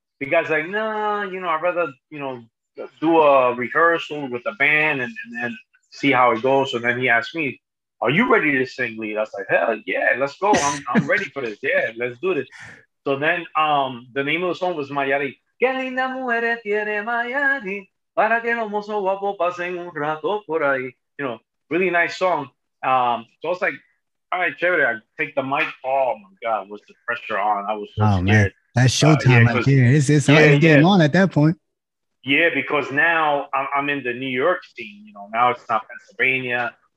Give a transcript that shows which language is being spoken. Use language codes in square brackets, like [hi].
[en] The guy's like, nah, you know, I'd rather, you know, do a rehearsal with the band and then see how it goes. So then he asked me, are you ready to sing lead? I was like, hell yeah, let's go. I'm ready for this. Yeah, let's do this. So then the name of the song was Mayari. [es] Que linda mujer tiene Mayari. Para que los mozos guapos pasen un rato por ahí. [en] You know, really nice song. So I was like, all right, chévere. I take the mic. Oh, my God, was the pressure on. I was so scared. Man. That's showtime right here. It's getting on at that point. Yeah, because now I'm in the New York scene. You know, now it's not Pennsylvania.